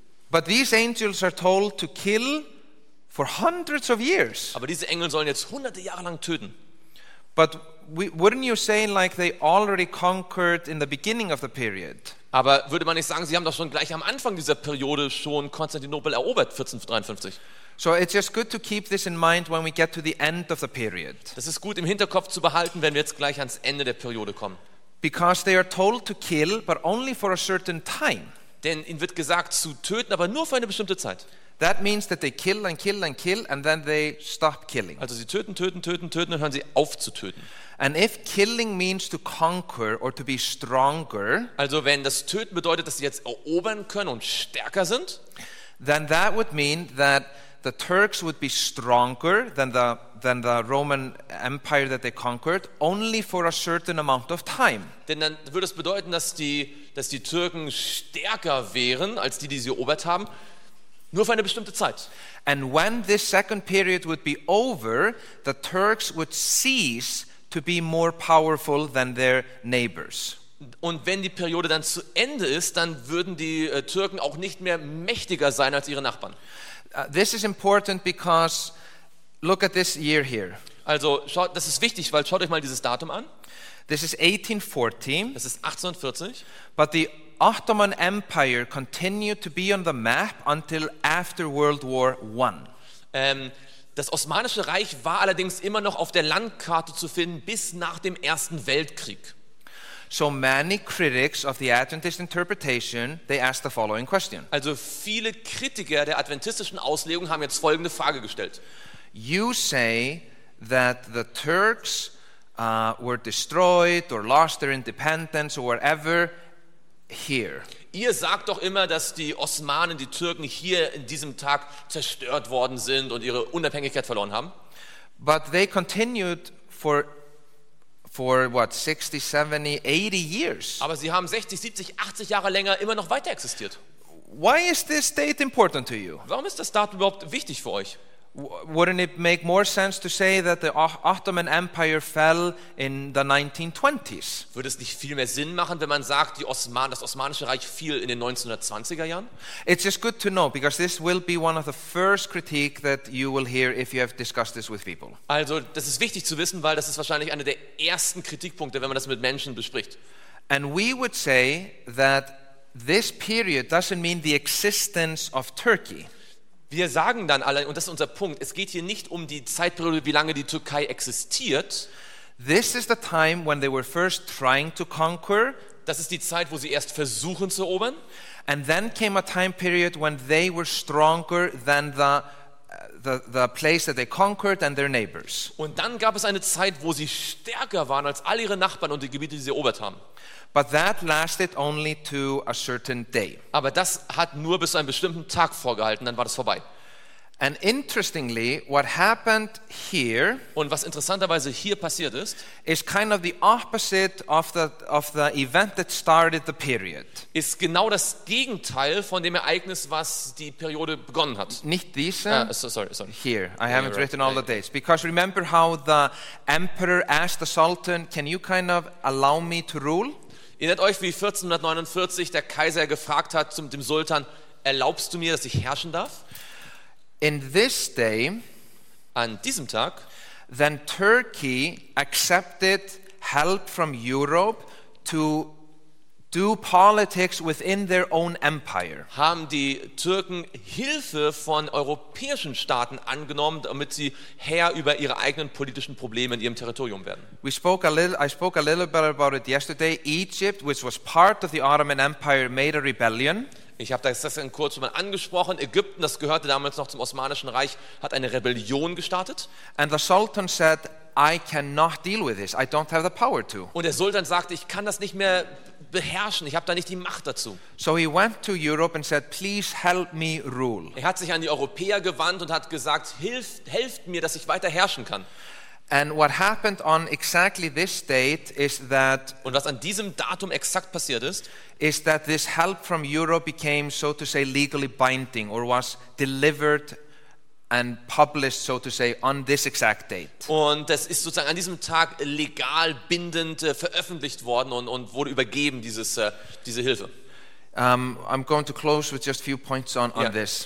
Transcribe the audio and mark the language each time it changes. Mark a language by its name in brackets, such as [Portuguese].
[English] But these angels are told to kill for hundreds of years. [German] Aber diese Engel sollen jetzt hunderte Jahre lang töten. [English] But wouldn't you say like they already conquered in the beginning of the period? [German] Aber würde man nicht sagen, sie haben doch schon gleich am Anfang dieser Periode schon Konstantinopel erobert, 1453? [English] So it's just good to keep this in mind when we get to the end of the period. [German] Das ist gut im Hinterkopf zu behalten, wenn wir jetzt gleich ans Ende der Periode kommen. [English] Because they are told to kill, but only for a certain time. [German] Denn ihnen wird gesagt zu töten, aber nur für eine bestimmte Zeit. [English] That means that they kill and kill and kill and then they stop killing. [German] Also sie töten, töten, töten, töten und hören sie auf zu töten. [English] And if killing means to conquer or to be stronger, [German] also wenn das Töten bedeutet, dass sie jetzt erobern können und stärker sind, [English] then that would mean that the Turks would be stronger than the Roman Empire that they conquered only for a certain amount of time. [German] Denn dann würde es bedeuten, dass die Türken stärker wären als die sie erobert haben. Nur für eine bestimmte Zeit. [English] And when this second period would be over, the Turks would cease to be more powerful than their neighbors. [German] Und wenn die Periode dann zu Ende ist, dann würden die Türken auch nicht mehr mächtiger sein als ihre Nachbarn. [English] This is important because look at this year here. [German] Also schaut, das ist wichtig, weil schaut euch mal dieses Datum an. [English] This is 1814. [German] Das ist 1840. [English] But the Ottoman Empire continued to be on the map until after World War I. [German] Das Osmanische Reich war allerdings immer noch auf der Landkarte zu finden bis nach dem Ersten Weltkrieg. [English] So many critics of the Adventist interpretation, they asked the following question. [German] Also viele Kritiker der adventistischen Auslegung haben jetzt folgende Frage gestellt. [English] You say that the Turks were destroyed or lost their independence or whatever. Here. [German] Ihr sagt doch immer, dass die Osmanen, die Türken hier in diesem Tag zerstört worden sind und ihre Unabhängigkeit verloren haben. [English] But they continued for what, 60, 70, 80 years. [German] Aber sie haben 60, 70, 80 Jahre länger immer noch weiter existiert. [English] Why is this date important to you? [German] Warum ist das Datum überhaupt wichtig für euch? [English] Wouldn't it make more sense to say that the Ottoman Empire fell in the 1920s? [German] Würde es nicht viel mehr Sinn machen, wenn man sagt, das Osmanische Reich fiel in den 1920er Jahren? [English] It's just good to know, because this will be one of the first critique that you will hear if you have discussed this with people. [German] Also, das ist wichtig zu wissen, weil das ist wahrscheinlich einer der ersten Kritikpunkte, wenn man das mit Menschen bespricht. [English] And we would say that this period doesn't mean the existence of Turkey. [German] Wir sagen dann alle, und das ist unser Punkt, es geht hier nicht um die Zeitperiode, wie lange die Türkei existiert. [English] This is the time when they were first trying to conquer. [German] Das ist die Zeit, wo sie erst versuchen zu erobern. [English] And then came a time period when they were stronger than the place that they conquered and their neighbors. [German] Und dann gab es eine Zeit, wo sie stärker waren als all ihre Nachbarn und die Gebiete, die sie erobert haben. [English] But that lasted only to a certain day. [German] Aber das hat nur bis zu einem bestimmten Tag vorgehalten, dann war das vorbei. [English] And interestingly, what happened here, [German] und was interessanterweise hier passiert ist, [English] is kind of the opposite of the event that started the period. [German] Ist genau das Gegenteil von dem Ereignis, was die Periode begonnen hat. Nicht diese. [English] Here, I haven't written all the dates. Because remember how the emperor asked the sultan, can you kind of allow me to rule? [German] Erinnert euch, wie 1449 der Kaiser gefragt hat zum dem Sultan, erlaubst du mir, dass ich herrschen darf? [English] In this day, [German] an diesem Tag, [English] then Turkey accepted help from Europe to do politics within their own empire. [German] Haben die Türken Hilfe von europäischen Staaten angenommen, damit sie Herr über ihre eigenen politischen Probleme in ihrem Territorium werden? [English] I spoke a little bit about it yesterday. Egypt, which was part of the Ottoman Empire, made a rebellion. [German] Ich habe das gestern kurz mal angesprochen. Ägypten, das gehörte damals noch zum Osmanischen Reich, hat eine Rebellion gestartet. [English] And the Sultan said, I cannot deal with this. I don't have the power to. [German] Und der Sultan sagte, ich kann das nicht mehr beherrschen, ich habe da nicht die Macht dazu. [English] So he went to Europe and said, please help me rule. [German] Er hat sich an die Europäer gewandt und hat gesagt, helft mir, dass ich weiter herrschen kann. [English] And what happened on exactly this date is that, [German] und was an diesem Datum exakt passiert ist, [English] is that this help from Europe became, so to say, legally binding or was delivered and published, so to say, on this exact date. [German] Und das ist sozusagen an diesem Tag legal bindend veröffentlicht worden und wurde übergeben, diese Hilfe. [English] I'm going to close with just a few points on this.